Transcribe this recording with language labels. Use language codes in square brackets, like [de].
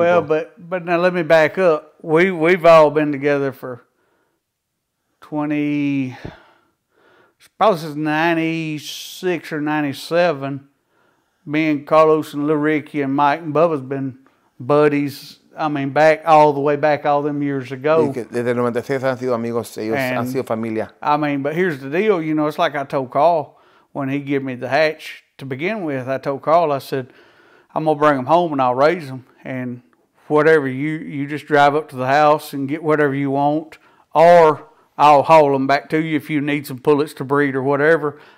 [en] Well, but now let me back up. We've all been together for 20, probably since 96 or 97. Me and Carlos and Lil Ricky and Mike and Bubba's been buddies. I mean, back all the way back all them years ago. [es] Desde 96 han sido amigos, ellos han sido familia. [en] I mean, but here's the deal, you know, it's like I told Carl when he gave me the hatch to begin with. I told Carl, I said, I'm going to bring them home and I'll raise them. And whatever, you just drive up to the house and get whatever you want. Or I'll haul them back to you if you need some pullets to breed or whatever.